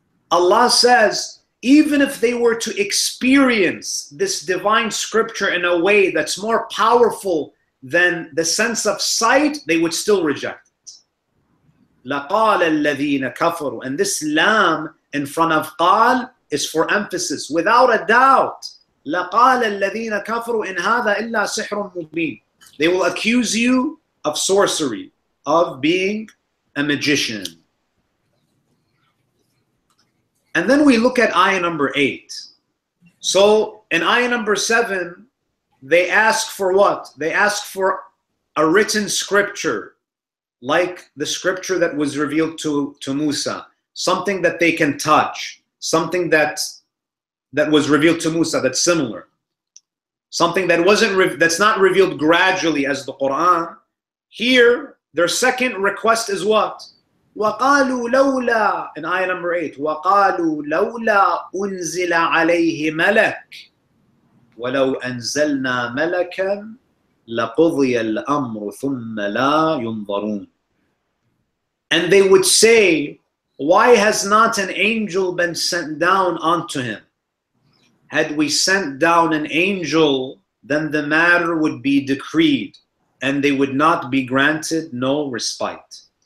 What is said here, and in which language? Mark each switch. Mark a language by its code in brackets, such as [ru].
[en] Allah says, even if they were to experience this divine scripture in a way that's more powerful than the sense of sight, they would still reject it. [ar] لَقَالَ الَّذِينَ كَفَرُوا. [en] And this lam in front of qal is for emphasis. Without a doubt, [ar] لَقَالَ الَّذِينَ كَفَرُوا إِنْ هَذَا إِلَّا سِحْرٌ مُبِينٌ. [en] They will accuse you of sorcery, of being a magician. And then we look at ayah number 8. So in ayah number 7, they ask for what? They ask for a written scripture, like the scripture that was revealed to Musa, something that they can touch, something that was revealed to Musa that's similar, something that that's not revealed gradually as the Quran. Here, their second request is what? [ar] وَقَالُوا لَوْلَا [en] in ayah number 8, [ar] وَقَالُوا لَوْلَا أُنزِلَ عَلَيْهِ مَلَكٌ وَلَوْ أَنزَلْنَا مَلَكًا لَقُضِيَ الْأَمْرُ ثُمَّ لَا يُنظَرُونَ. [en] And they would say, why has not an angel been sent down onto him? Had we sent down an angel, then the matter would be decreed, and they would not be granted no respite.